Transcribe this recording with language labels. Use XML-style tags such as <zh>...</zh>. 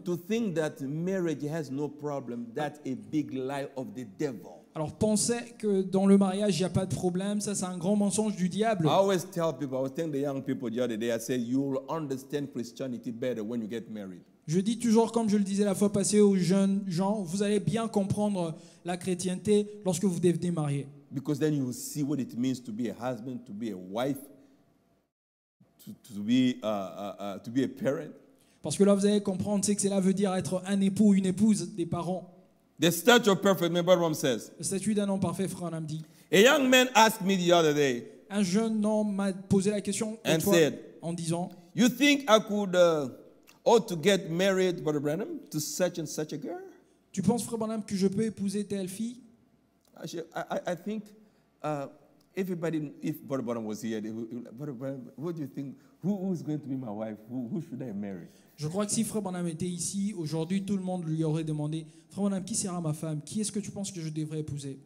<en>To think that marriage has no problem, that's a big lie of the devil.</en> <fr>Alors penser que dans le mariage il n'y a pas de problème, ça c'est un grand mensonge du diable.</fr> <en>I always tell people, I was telling the young people the other day, I said you will understand Christianity better when you get married.</en> <fr>Je dis toujours, comme je le disais la fois passée aux jeunes gens, vous allez bien comprendre la chrétienté lorsque vous devenez marié.</fr> <en>Because then you will see what it means to be a husband, to be a wife, to be a parent.</en> <fr>Parce que là vous allez comprendre ce que cela veut dire être un époux, une épouse, des parents.</fr> <en>The statue of perfect man, Brother Ram says.</en> <fr>Le statut d'un homme parfait, frère Ram dit.</fr> <en>A young man asked me the other day.</en> <fr>Un jeune homme m'a posé la question</fr> <en>and</en> <fr>toi,</fr> <en>said,</en> <fr>en disant,</fr> <en>you think I could ought to get married, Brother Branham, to such and such a girl?</en> <fr>Tu penses, frère Branham, que je peux épouser telle fille?</fr> <en>I think everybody, if Brother Branham was here, Brother Branham, what do you think? Who is going to be my wife? Who should I marry?</en> <fr>Je crois que si Frère Branham était ici, aujourd'hui, tout le monde lui aurait demandé, Frère Branham, qui sera ma femme? Qui est-ce que tu penses que je devrais épouser?</fr>